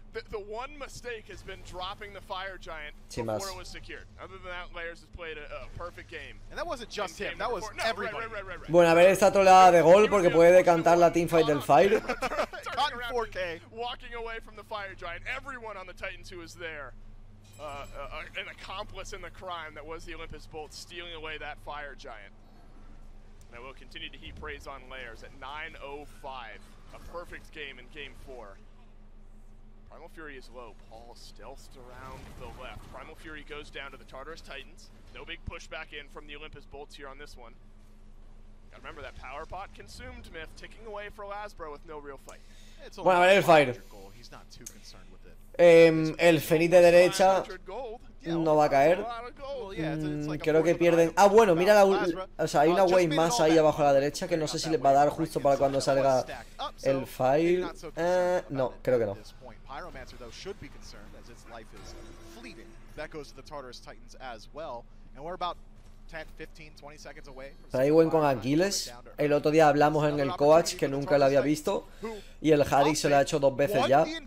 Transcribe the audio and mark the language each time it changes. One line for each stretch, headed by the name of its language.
English: The one mistake has been dropping the fire giant before it was secured. Other than that, Layers has played a perfect game. And that wasn't just him, that was everybody. Right.
Spanish: Bueno, a ver esta troleada de gol porque puede decantar la team fight del fire.
English: Cotton 4K. Walking away from the fire giant. Everyone on the Titans who is there. An accomplice in the crime that was the Olympus Bolt stealing away that fire giant. And I will continue to heap praise on Layers at 9:05. A perfect game in game 4. Primal Fury is low. Paul stealthed around the left. Primal Fury goes down to the Tartarus Titans. No big pushback in from the Olympus Bolts here on this one. Gotta remember that power pot consumed myth ticking away for Lazbro with no real fight. It's
Spanish: bueno, a ver el fire.
English: He's not too concerned with it.
Spanish: El Fenix de derecha no va a caer. Creo que pierden. Ah, bueno, mira la. O sea, hay una wave más ahí abajo a la derecha que no sé si les va a dar justo para cuando salga el fire. No, creo que no.
English: Pyromancer, though, should be concerned as its life is fleeting. That goes to the Tartarus Titans as well. And we're about 10, 15, 20 seconds away.
Spanish: Traigüen con Aquiles. El otro día hablamos en el Coach que nunca lo había visto. Y el Harry se lo ha hecho dos veces ya.